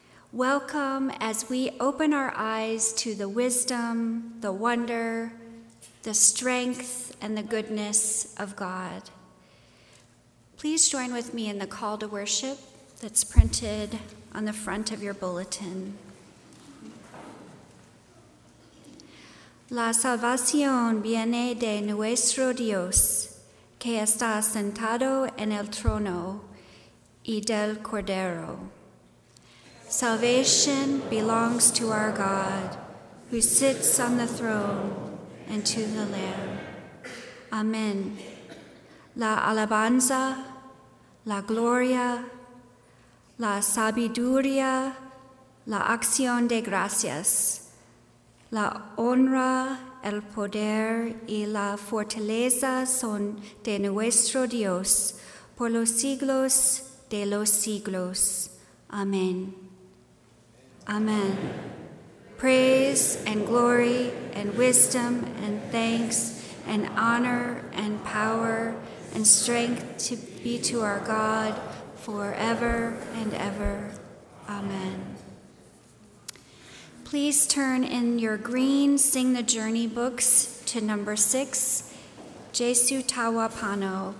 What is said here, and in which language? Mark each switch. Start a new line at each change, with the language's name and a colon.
English: Welcome as we open our eyes to the wisdom, the wonder, the strength, and the goodness of God. Please join with me in the call to worship that's printed on the front of your bulletin.
Spanish: La salvación viene de nuestro Dios, que está sentado en el trono y del Cordero.
English: Salvation belongs to our God, who sits on the throne, and to the Lamb. Amen.
Spanish: La alabanza, la gloria, la sabiduría, la acción de gracias, la honra, el poder y la fortaleza son de nuestro Dios por los siglos de los siglos.
English: Amen. Amen. Praise and glory and wisdom and thanks and honor and power and strength to be to our God forever and ever. Amen. Please turn in your green Sing the Journey books to number 6, Jesu Tawapano.